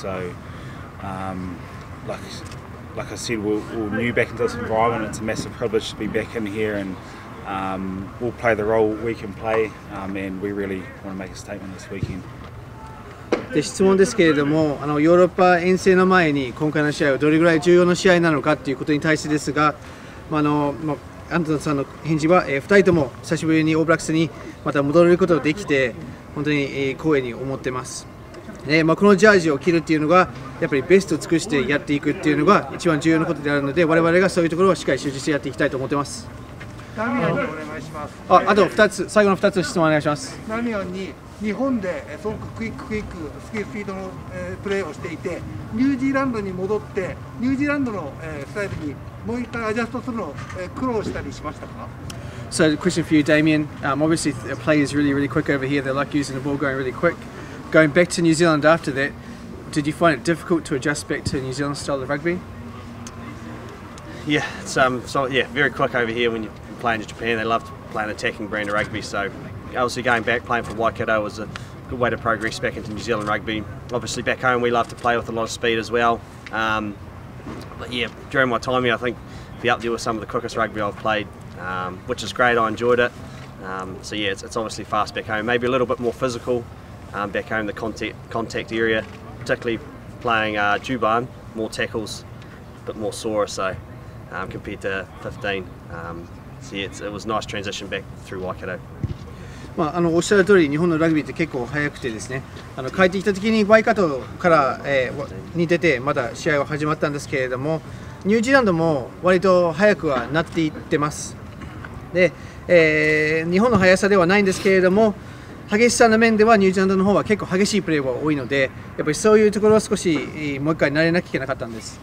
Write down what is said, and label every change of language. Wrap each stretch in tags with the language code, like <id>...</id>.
<en>So, like I said, we're new back into this environment. It's a massive privilege to be back in here, and we'll play the role we can play, and we really want to make a statement this weekend.</en> <ja>で質問ですけれども、あのヨーロッパ遠征の前に今回の試合はどれぐらい重要な試合なのかということに対してですが、まああのまあ、アントンさんの返事は、2人とも久しぶりにオーブラックスにまた戻れることができて本当に、光栄に思っています、まあ、このジャージを着るというのがやっぱりベストを尽くしてやっていくというのが一番重要なことであるので、我々がそういうところをしっかり集中してやっていきたいと思っています。ダミアン、お願いします。あと2つ、最後の2つの質問お願いします。ダミアンに日本ですごくクイックスピードのプレーをしていて、ニュージーランドに戻ってニュージーランドのスタイルにもう一回アジャストするのを苦労したりしましたか？</ja> <en>So a question for you, Damian. Obviously the play is really, really quick over here. They like using the ball, going really quick. Going back to New Zealand after that, did you find it difficult to adjust back to New Zealand style of rugby? Yeah, it's very quick over here when you're playing in Japan. They love to play an attacking brand of rugby, so obviously going back playing for Waikato was a good way to progress back into New Zealand rugby. Obviously back home we love to play with a lot of speed as well, but yeah, during my time here I think be up there with some of the quickest rugby I've played, which is great. I enjoyed it, so yeah, it's obviously fast back home, maybe a little bit more physical back home, the contact area, particularly playing Juban, more tackles, a bit more sore, so compared to 15, so yeah, it was a nice transition back through Waikato.</en> <ja>まあ、あのおっしゃる通り日本のラグビーって結構早くてですね、あの帰ってきた時にワイカトから、に出てまだ試合は始まったんですけれども、ニュージーランドも割と早くはなっていってます。で、日本の速さではないんですけれども、激しさの面ではニュージーランドの方は結構激しいプレーは多いので、やっぱりそういうところは少しもう一回慣れなきゃいけなかったんです。</ja>